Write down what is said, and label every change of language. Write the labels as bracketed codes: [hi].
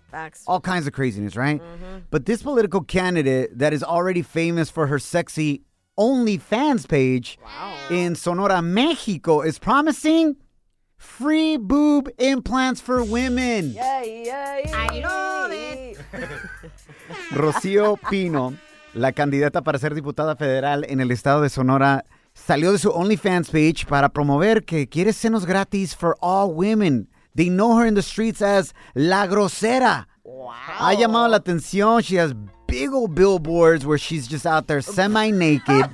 [en] Facts. All kinds of craziness, right? Mm-hmm. But this political candidate that is already famous for her sexy OnlyFans page in Sonora, Mexico, is promising free boob implants for women. Yay, yay. I love it. [es] Rocío Pino, la candidata para ser diputada federal en el estado de Sonora, salió de su OnlyFans page para promover que quiere senos gratis [en] for all women. They know her in the streets as La Grosera. Wow. [es] Ha llamado la atención. [en] She has big old billboards where she's just out there semi-naked.